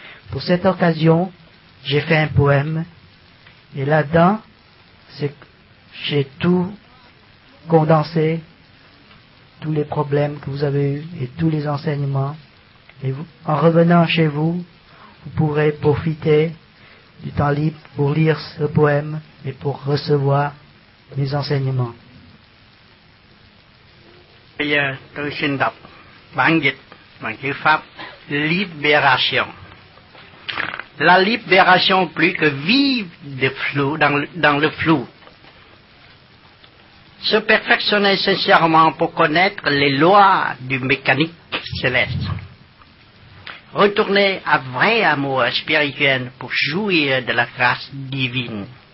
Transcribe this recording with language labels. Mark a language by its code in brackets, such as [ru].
[fr] Pour cette occasion, j'ai fait un poème, et là-dedans, j'ai tout condensé, tous les problèmes que vous avez eus et tous les enseignements. Et vous, en revenant chez vous, vous pourrez profiter du temps libre pour lire ce poème et pour recevoir mes enseignements. [vi] Bây giờ tôi xin đọc bản dịch bằng chữ Pháp. [fr] Libération. La libération plus que vivre de flou dans le flou. Se perfectionner sincèrement pour connaître les lois du mécanique céleste. Retourner à vrai amour spirituel pour jouir de la grâce divine.